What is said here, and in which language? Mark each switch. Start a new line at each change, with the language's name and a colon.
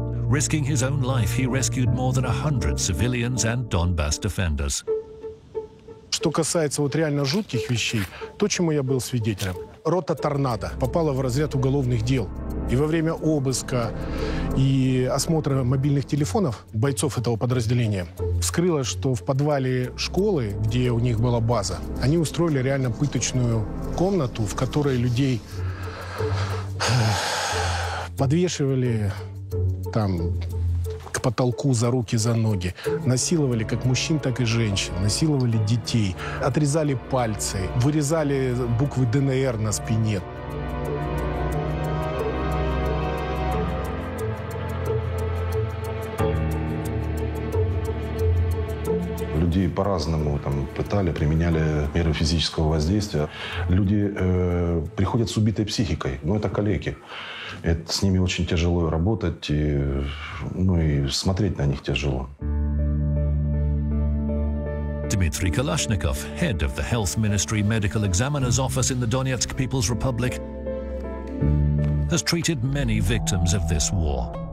English: Risking his own life, he rescued more than 100 civilians and Donbass defenders.
Russian: Что касается вот реально жутких вещей, то, чему я был свидетелем, рота «Торнадо» попала в разряд уголовных дел. И во время обыска и осмотра мобильных телефонов бойцов этого подразделения вскрылось, что в подвале школы, где у них была база, они устроили реально пыточную комнату, в которой людей подвешивали там к потолку за руки, за ноги. Насиловали как мужчин, так и женщин. Насиловали детей. Отрезали пальцы. Вырезали буквы ДНР на спине. Людей по-разному там пытали, применяли меры физического воздействия. Люди приходят с убитой психикой, но это калеки. С ними очень тяжело работать, и смотреть на них тяжело.
English: Дмитрий Калашников, head of the Health Ministry Medical Examiner's Office in the Donetsk People's Republic, has treated many victims of this war.